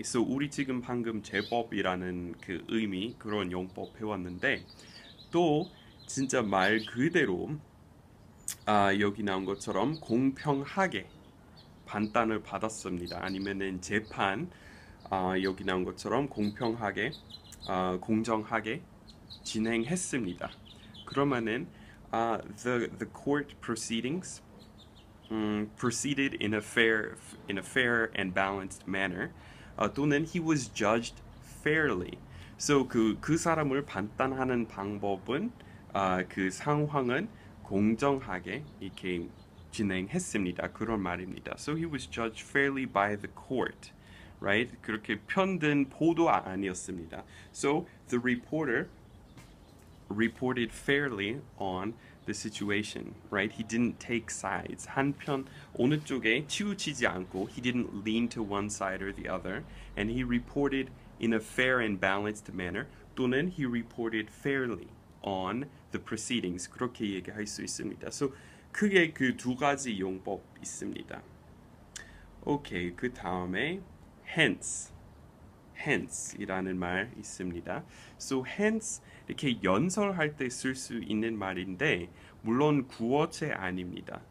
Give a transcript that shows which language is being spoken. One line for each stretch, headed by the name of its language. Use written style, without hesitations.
Korean: So 우리 지금 방금 제법이라는 그 의미 그런 용법 배웠는데 또 진짜 말 그대로 여기 나온 것처럼 공평하게 판단을 받았습니다. 아니면은 재판 여기 나온 것처럼 공평하게 공정하게 진행했습니다. 그러면은
English: the court proceedings proceeded in a fair and balanced manner.
Korean: 또는
English: he was judged fairly.
Korean: So 그 사람을 판단하는 방법은 그 상황은 공정하게 이렇게 진행했습니다. 그런 말입니다.
English: So he was judged fairly by the court, right?
Korean: 그렇게 편든 보도가 아니었습니다.
English: So the reporter reported fairly on the situation, right? He didn't take sides.
Korean: 한편 어느 쪽에 치우치지 않고,
English: he didn't lean to one side or the other, and he reported in a fair and balanced manner.
Korean: 또는
English: he reported fairly on the proceedings.
Korean: 그렇게 얘기할 수 있습니다. So 크게 그두 가지 용법 있습니다. Okay, 그 다음에 hence. Hence이라는 말 있습니다. So hence 이렇게 연설할 때쓸수 있는 말인데 물론 구어체 아닙니다.